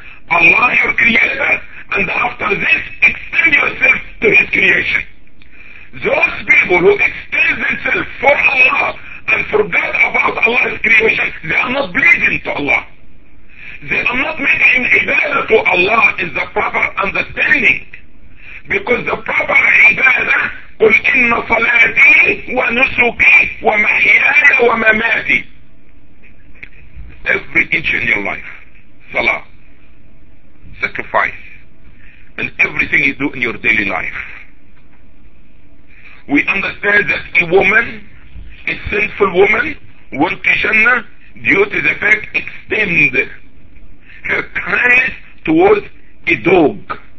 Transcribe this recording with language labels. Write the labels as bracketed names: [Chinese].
[English] Allah your creator, and after this extend yourself to his creation. Those people who extend themselves for Allah and forget about Allah's creation, they are not bleeding to Allah. They are not making ibadah to Allah in the proper understanding. Because the proper ibadah, [Arabic] قُلْ إِنَّ صَلَاتِي وَنُسُكِي وَمَحْيَايَ وَمَمَاتِي. [English] Every inch in your life, salah, sacrifice, and everything you do in your daily life. We understand that a woman, a sinful woman, went to Jannah due to the fact extend her kindness towards a dog.